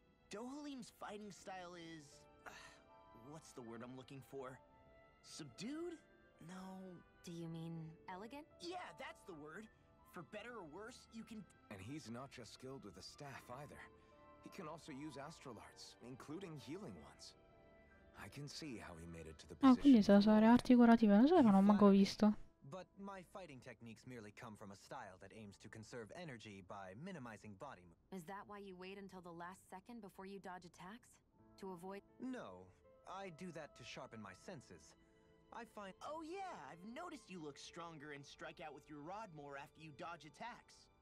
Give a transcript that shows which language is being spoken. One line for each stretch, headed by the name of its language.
English: Dohalim's fighting style is... what's the word I'm looking for? Subdued? No. Do you mean elegant? Yeah, that's the word. For better or worse, you can... And he's not just skilled with a staff either. He can also use astral arts, including healing ones. I can see how he made it to the position.
Italian: Ah, quindi sa usare arti curative, non so, non ho manco visto.
English: But my fighting techniques merely come from a style that aims to conserve energy by minimizing body movement. Is that why you wait until the last second before you dodge attacks? To avoid... No, I do that to sharpen my senses. I find... Oh yeah, I've noticed you look stronger and strike out with your rod more after you dodge attacks.